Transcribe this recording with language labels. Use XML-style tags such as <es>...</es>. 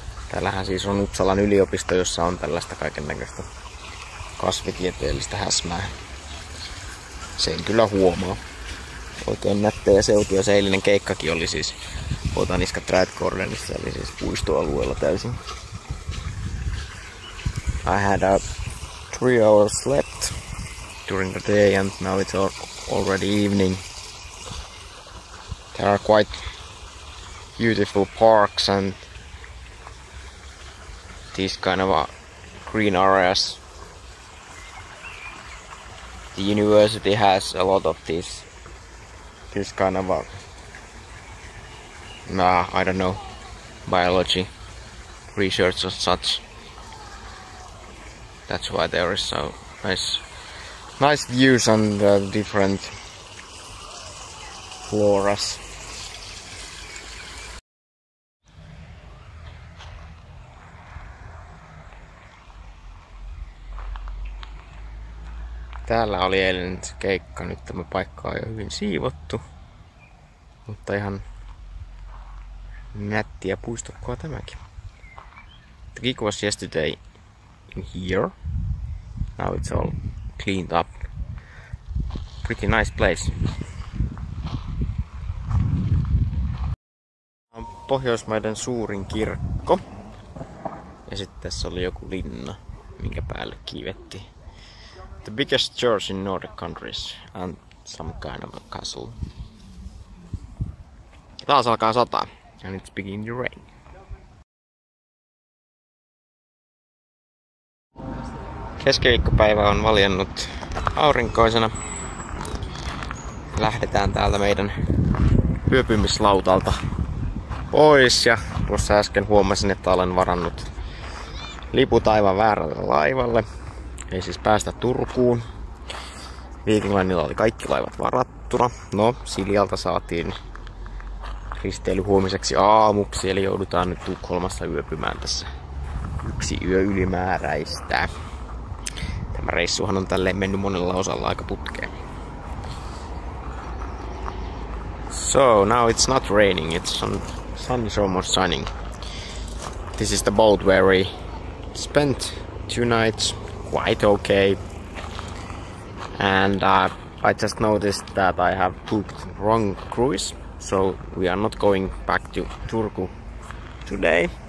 <fi>Täällähän siis on Uppsalan yliopisto, jossa on tällaista kaiken näköistä kasvitieteellistä häsmää. Sen kyllä huomaa. Oikein nättejä seutuja. Se eilinen keikkakin oli siis Botaniska Trädgårdenissa, eli siis puistoalueella täysin.</fi> <en>I had a 3 hours slept during the day and now it's already evening. There are quite beautiful parks and these kind of green areas. The university has a lot of this kind of I don't know, biology research or such. That's why there is so nice views on the different floras.</en> <fi>Täällä oli eilen keikka, nyt tämä paikka on jo hyvin siivottu. Mutta ihan nätti ja puistokkoa tämäkin.</fi> <en>The gig was yesterday here. Now it's all cleaned up. Pretty nice place.</en> <fi>Pohjoismaiden suurin kirkko. Ja sitten tässä oli joku linna, minkä päälle kiivetti.</fi> <en>The biggest church in Nordic countries and some kind of a castle.</en> <fi>Taas alkaa sataa.</fi> <en>And it's beginning to rain.</en> <fi>Keskiviikkopäivä on valjennut aurinkoisena. Lähdetään täältä meidän yöpymislautalta pois. Ja tuossa äsken huomasin, että olen varannut liput aivan väärälle laivalle. Ei siis päästä Turkuun. Viikinglainilla oli kaikki laivat varattuna. No, Siljalta saatiin risteily huomiseksi aamuksi. Eli joudutaan nyt Tukholmassa yöpymään tässä yksi yö ylimääräistä. Tämä reissuhan on tälleen mennyt monella osalla aika putkeen.</fi> <en>So, now it's not raining, it's sun is almost shining. This is the boat where we spent 2 nights, quite okay. And I just noticed that I have booked wrong cruise, so we are not going back to Turku today.</en>